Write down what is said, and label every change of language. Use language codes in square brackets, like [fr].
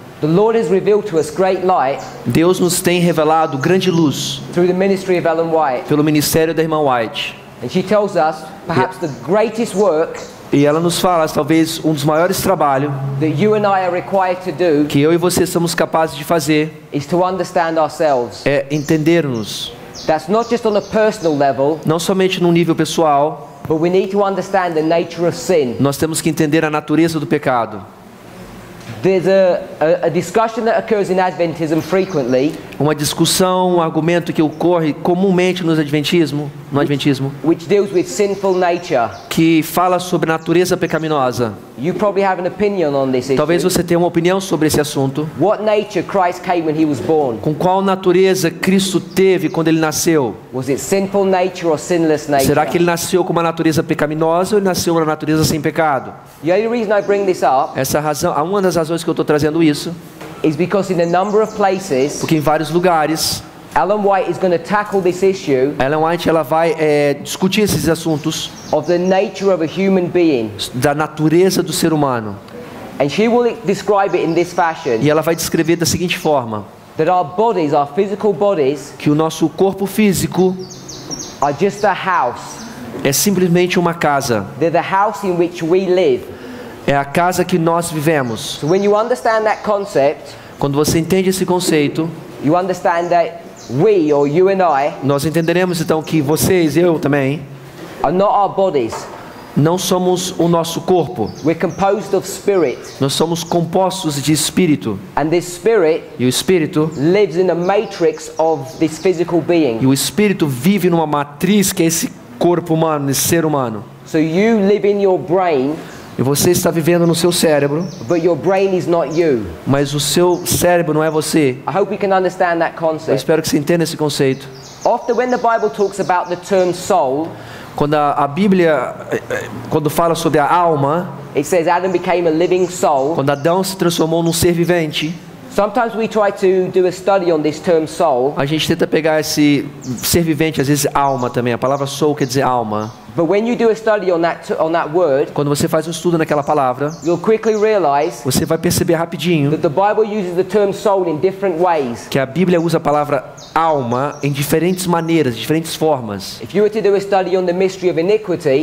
[en] The Lord has revealed to us great light. [pt] Deus nos tem revelado grande luz. [en] Through the ministry of Ellen White. [pt] Pelo ministério da irmã White. [en] And she tells us perhaps the greatest work. [pt] E ela nos fala talvez dos maiores trabalhos. [en] That you and I are required to do. [pt] Que eu e você somos capazes de fazer. [en] Is to understand ourselves. [pt] É entendermos. [en] That's not just on a personal level. [pt] Não somente num nível pessoal. [en] But we need to understand the nature of sin. [pt] Nós temos que entender a natureza do pecado. [en] There's a discussion that occurs in Adventism frequently. [pt] Uma discussão, um argumento que ocorre comumente no Adventismo, [en] which deals with sinful nature. [pt] Que fala sobre a natureza pecaminosa. [en] You probably have an opinion on this issue. [pt] Talvez você tenha uma opinião sobre esse assunto. [en] What nature Christ came when he was born? [pt] Com qual natureza Cristo teve quando ele nasceu? [en] Was it sinful nature or sinless nature? [pt] Será que ele nasceu com uma natureza pecaminosa ou ele nasceu com uma natureza sem pecado? [en] The only reason I bring this up, [pt] essa razão, uma das razões que eu estou trazendo isso, [en] is because in a number of places, [pt] porque em vários lugares, [en] Ellen White is going to tackle this issue. [pt] Ellen White ela vai discutir esses assuntos [en] of the nature of a human being. [pt] Da natureza do ser humano. [en] And she will describe it in this fashion. [pt] E ela vai descrever da seguinte forma. [en] That our bodies, our physical bodies, [pt] que o nosso corpo físico [en] are just a house. [pt] É simplesmente uma casa. [en] They're the house in which we live. [pt] É a casa que nós vivemos. [en] So when you understand that concept, [pt] quando você entende esse conceito, [en] you understand that we, or you and I, [pt] nós entenderemos então que vocês, eu também, [en] are not our bodies. [pt] Não somos o nosso corpo. [en] We're composed of spirit. [pt] Nós somos compostos de espírito. [en] And this spirit, [pt] e o espírito, [en] lives in a matrix of this physical being. [pt] E o espírito vive numa matriz que é esse corpo humano, esse ser humano. [en] So you live in your brain. [pt] E você está vivendo no seu cérebro. [en] But your brain is not you. [pt] Mas o seu cérebro não é você. [en] I hope you can understand that concept. [pt] Eu espero que você entenda esse conceito. [en] Often when the Bible talks about the term soul, [pt] quando a Bíblia quando fala sobre a alma, [en] it says Adam became a living soul. [pt] Quando Adão se transformou num ser vivente. [en] Sometimes we try to do a study on this term soul. [pt] A gente tenta pegar esse ser vivente, às vezes alma também. A palavra soul quer dizer alma. [en] But when you do a study on that word, [pt] quando você faz um estudo naquela palavra, [en] you'll quickly realize, [pt] você vai perceber rapidinho, [en] that the Bible uses the term soul in different ways. [pt] Que a Bíblia usa a palavra alma em diferentes maneiras, diferentes formas. [en] If you were to do a study on the mystery of iniquity,